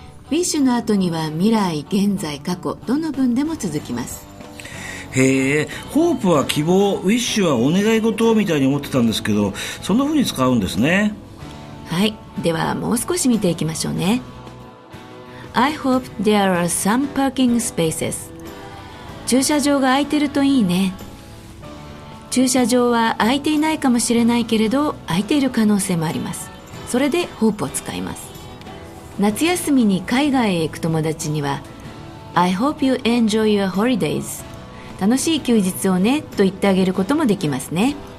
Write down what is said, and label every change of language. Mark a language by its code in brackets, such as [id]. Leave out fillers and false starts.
[ja] wish の後には未来、現在、過去、どの文でも続きます。へえ、hope は希望、wish はお願い事みたいに思ってたんですけど、そんな風に使うんですね。はい、ではもう少し見ていきましょうね。 [en] I hope there are some parking spaces. [ja] 駐車場が空いてるといいね。駐車場は空いていないかもしれないけれど、空いている可能性もあります。それで hope を使います。夏休みに海外へ行く友達には、 [en] I hope you enjoy your holidays、 [ja] 楽しい休日をねと言ってあげることもできますね。